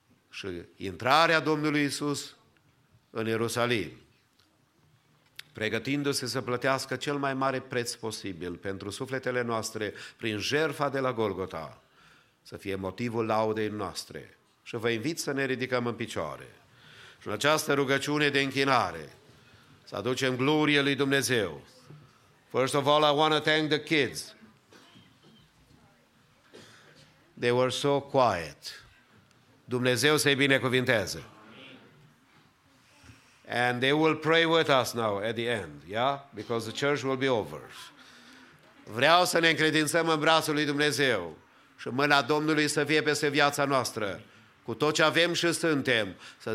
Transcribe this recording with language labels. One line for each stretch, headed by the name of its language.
Romanian: Și intrarea Domnului Iisus în Ierusalim, pregătindu-se să plătească cel mai mare preț posibil pentru sufletele noastre prin jertfa de la Golgota, să fie motivul laudei noastre. Și vă invit să ne ridicăm în picioare. Și în această rugăciune de închinare, să aducem glorie lui Dumnezeu.
English: First of all, I want to thank the kids. They were so quiet.
Romanian: Dumnezeu să-i binecuvinteze.
English: And they will pray with us now at the end, yeah? Because the church will be over.
Romanian: Vreau să ne încredințăm în brațul lui Dumnezeu și mâna Domnului să fie peste viața noastră. Cu tot ce avem și suntem, să zicem, Doamne, numele Tău să fie glorificat. Ne rugăm cu toți așa cum stăm.